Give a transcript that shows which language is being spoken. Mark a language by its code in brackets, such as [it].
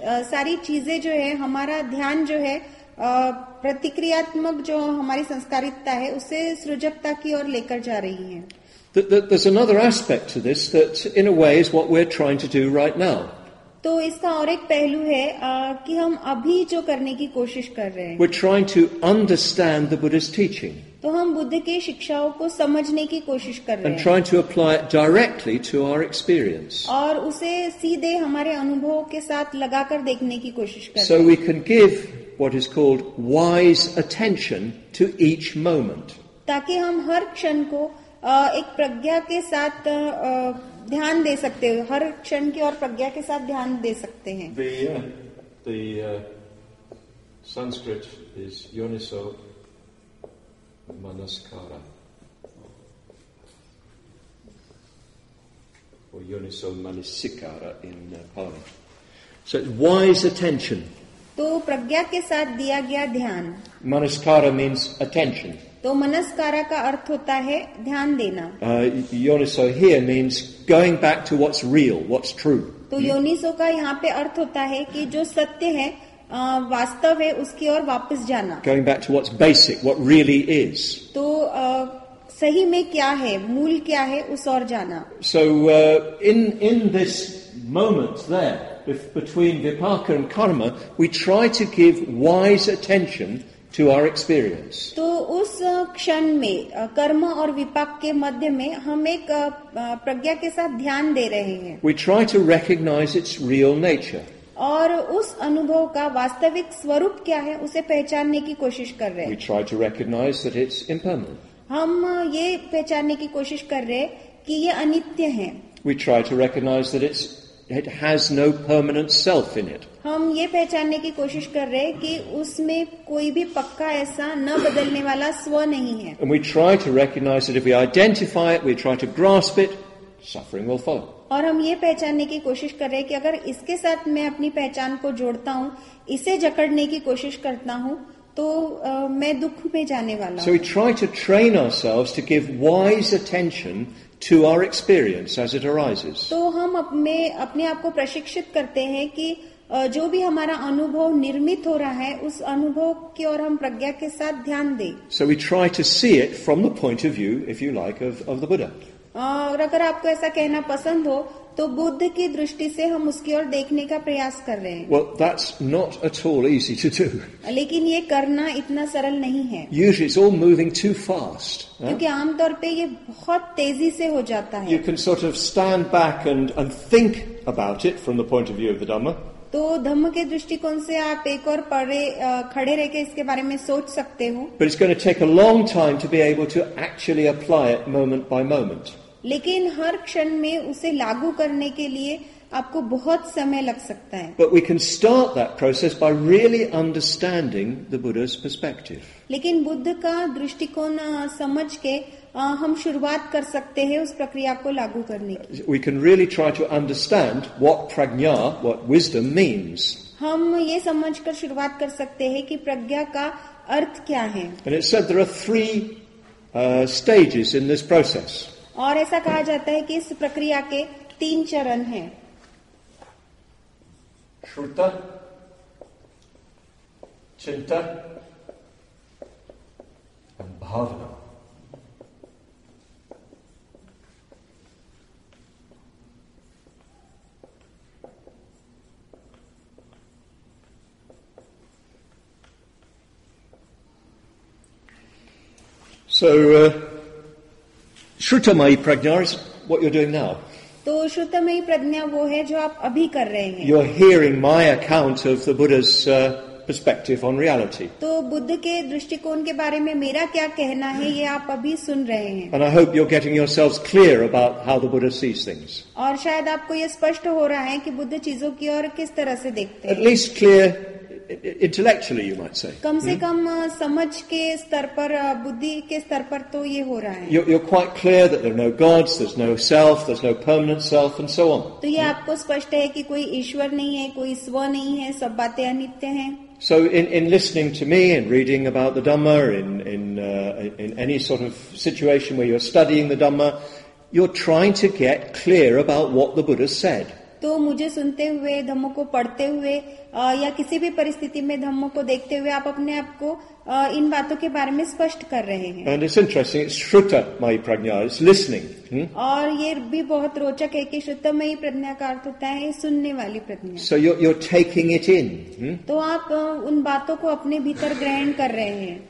[hi] तो ये सारी चीजें जो है हमारा ध्यान जो है प्रतिक्रियात्मक जो हमारी संस्कारितता है उसे सृजकता की ओर लेकर जा रही है. [en] There's another aspect to this that in a way is what we're trying to do right now. [hi] तो इसका और एक पहलू है कि हम अभी जो करने की कोशिश कर रहे हैं. [en] We're trying to understand the Buddhist teaching. [hi] तो हम बुद्ध के शिक्षाओं को समझने की कोशिश कर रहे हैं. [en] And trying to apply it directly to our experience. [hi] और उसे सीधे हमारे अनुभव के साथ लगाकर देखने की कोशिश कर रहे हैं. [en] So we can give what is called wise attention to each moment. [hi] ताकि हम हर क्षण को एक प्रज्ञा के साथ ध्यान दे सकते हैं, हर क्षण की और प्रज्ञा के साथ ध्यान दे सकते हैं. [en] The Sanskrit is yoniso manaskara or yoniso manasikara in Pali. So wise attention. [hi] तो प्रज्ञा के साथ दिया गया ध्यान. [en] Manaskara means attention. [hi] तो मनस्कारा का अर्थ होता है ध्यान देना. [en] Yoniso here means going back to what's real, what's true. [hi] तो योनिसो का यहाँ पे अर्थ होता है कि जो सत्य है वास्तव है उसकी ओर वापस जाना. [en] Going back to what's basic, what really is. [hi] तो सही में क्या है, मूल क्या है, उस ओर जाना. [en] So in this moment there, between vipaka and karma, we try to give wise attention to our experience. [hi] तो उस क्षण में कर्म और विपाक के मध्य में हम एक प्रज्ञा के साथ ध्यान दे रहे हैं. [en] We try to recognize its real nature. [hi] और उस अनुभव का वास्तविक स्वरूप क्या है उसे पहचानने की कोशिश कर रहे हैं. [en] We try to recognize that it's impermanent. [hi] हम ये पहचानने की कोशिश कर रहे हैं कि ये अनित्य है. [en] We try to recognize that it has no permanent self in it. [hi] हम ये पहचानने की कोशिश कर रहे हैं कि उसमें कोई भी पक्का ऐसा न बदलने वाला स्व नहीं है. [en] And we try to recognize that if we identify it, we try to grasp it, suffering will follow. [hi] और हम ये पहचानने की कोशिश कर रहे हैं कि अगर इसके साथ मैं अपनी पहचान को जोड़ता हूँ, इसे जकड़ने की कोशिश करता हूँ, तो मैं दुख में जाने वाला. [en] So we try to train ourselves to give wise attention to our experience as it arises. [hi] तो हम अपने आप को प्रशिक्षित करते हैं कि जो भी हमारा अनुभव निर्मित हो रहा है उस अनुभव की ओर हम प्रज्ञा के साथ ध्यान दें. [en] So we try to see it from the point of view, if you like, of the Buddha. [hi] और अगर आपको ऐसा कहना पसंद हो तो बुद्ध की दृष्टि से हम उसकी ओर देखने का प्रयास कर रहे हैं. [en] Well, that's not at all easy to do. [hi] लेकिन ये करना इतना सरल नहीं है. [en] Usually it's all moving too fast. [hi] क्योंकि आमतौर पे ये बहुत तेजी से हो जाता है. [en] You can sort of stand back and think about it from the point of view of the Dhamma. [hi] तो धम्म के दृष्टिकोण से आप एक और पड़े खड़े रह के इसके बारे में सोच सकते हो. [en] But it's going to take a long time to be able to actually apply it moment by moment. [hi] लेकिन हर क्षण में उसे लागू करने के लिए आपको बहुत समय लग सकता है. [en] But we can start that process by really understanding the Buddha's perspective. [hi] लेकिन बुद्ध का दृष्टिकोण समझ के हम शुरुआत कर सकते हैं उस प्रक्रिया को लागू करने की. [en] We can really try to understand what prajna, what wisdom means. [hi] हम ये समझ कर शुरुआत कर सकते हैं कि प्रज्ञा का अर्थ क्या है. [en] And it said there are three stages in this process. [hi] और ऐसा कहा जाता है कि इस प्रक्रिया के तीन चरण हैं. श्रुता, चिंता और भावना. [en] So Shrutamayi prajna is what you're doing now. [hi] तो श्रुतमयी प्रज्ञा वो है जो आप अभी कर रहे हैं. [en] You're hearing my account of the Buddha's perspective on reality. [hi] तो बुद्ध के दृष्टिकोण के बारे में मेरा क्या कहना है ये आप अभी सुन रहे हैं. [en] And I hope you're getting yourselves clear about how the Buddha sees things. [hi] और शायद आपको ये स्पष्ट हो रहा है कि बुद्ध चीजों की ओर किस तरह से देखते हैं. [en] At least clear intellectually, you might say. [hi] कम से कम समझ के स्तर पर बुद्धि के स्तर पर तो ये हो रहा है. [en] You're quite clear that there are no gods, there's no self, there's no permanent self, and so on. [hi] तो ये आपको स्पष्ट है कि कोई ईश्वर नहीं है, कोई स्व नहीं है, सब बातें अनित्य हैं. [en] So in listening to me and reading about the Dhamma in any sort of situation where you're studying the Dhamma, you're trying to get clear about what the Buddha said. [hi] तो मुझे सुनते हुए धम्मों को पढ़ते हुए या किसी भी परिस्थिति में धम्मों को देखते हुए आप अपने आप को इन बातों के बारे में स्पष्ट कर रहे हैं. [en] And it's interesting, it's Shruta Mayi Prajna, it's listening. [hi] और ये भी बहुत रोचक है कि श्रुत मयी प्रज्ञा का अर्थ होता है सुनने वाली प्रज्ञा. [en] So you're taking it in. [hi] तो आप उन बातों को अपने भीतर ग्रहण कर रहे हैं.